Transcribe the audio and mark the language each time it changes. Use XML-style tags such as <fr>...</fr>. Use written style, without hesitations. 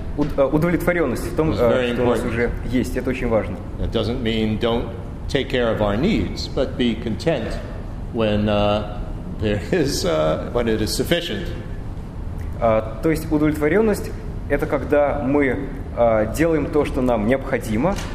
<ru>Удовлетворенность в том, что у нас уже есть. Это очень важно.</ru> <en>It doesn't mean don't take care of our needs, but be content when... when it is sufficient.</en> <ru>То есть удовлетворенность — это когда мы делаем то, что нам необходимо,</ru>